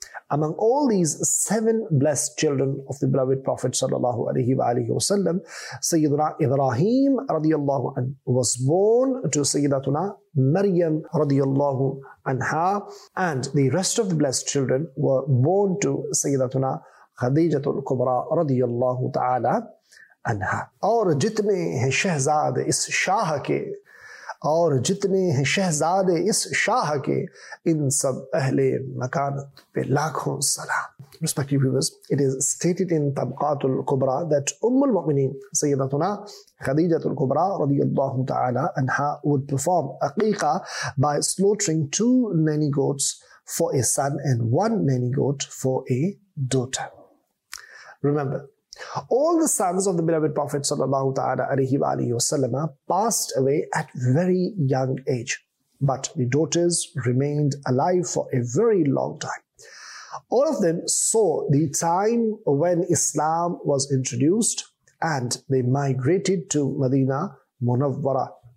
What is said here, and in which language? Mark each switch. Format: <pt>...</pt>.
<en>Among all these seven blessed children of the beloved Prophet Sallallahu Alaihi Wa Alaihi Wasallam, Sayyiduna Ibrahim Radiyallahu Anhu was born to Sayyidatuna Maryam Radiyallahu Anha, and the rest of the blessed children were born to Sayyidatuna Khadijatul Kubra Radiyallahu Ta'ala Anha.</en> <ur>اور جتنے ہیں شہزاد اس شاہ کے اور جتنے ہیں شہزاد اس شاہ کے ان سب اہل مکانت پہ لاکھوں سلام</ur> <en>Respective viewers, it is stated in طبقات الكبرى that ام المؤمنین سیدتنا خدیجة الكبرى رضی اللہ تعالی عنہ would perform عقیقہ by slaughtering two nanny goats for a son and one nanny goat for a daughter. Remember, all the sons of the beloved Prophet sallallahu ta'ala alayhi wa alayhi wa sallam passed away at very young age, but the daughters remained alive for a very long time. All of them saw the time when Islam was introduced and they migrated to Madina Munawwara.</en>